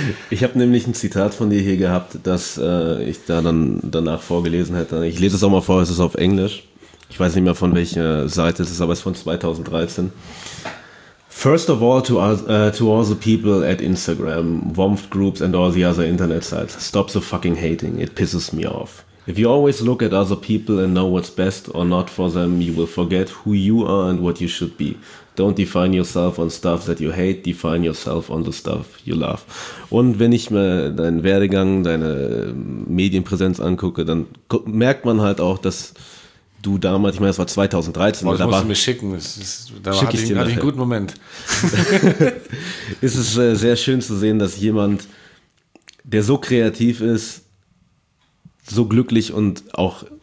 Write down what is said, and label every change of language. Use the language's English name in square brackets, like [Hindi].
[German] Ich habe nämlich ein Zitat von dir hier gehabt, das ich da dann danach vorgelesen hätte. Ich lese es auch mal vor, es ist auf Englisch. Ich weiß nicht mehr, von welcher Seite es ist, aber es ist von 2013. [English] First of all to all the people at Instagram, Womf Groups and all the other internet sites, stop the fucking hating, it pisses me off. If you always look at other people and know what's best or not for them, you will forget who you are and what you should be. Don't define yourself on stuff that you hate, define yourself on the stuff you love. [German] Und wenn ich mir deinen Werdegang, deine Medienpräsenz angucke, dann merkt man halt auch, dass du damals, ich meine, das war 2013. Boah, das musst du mir schicken, hatte ich einen guten Moment. Ist es sehr schön zu sehen, dass jemand, der so kreativ ist, so glücklich und auch...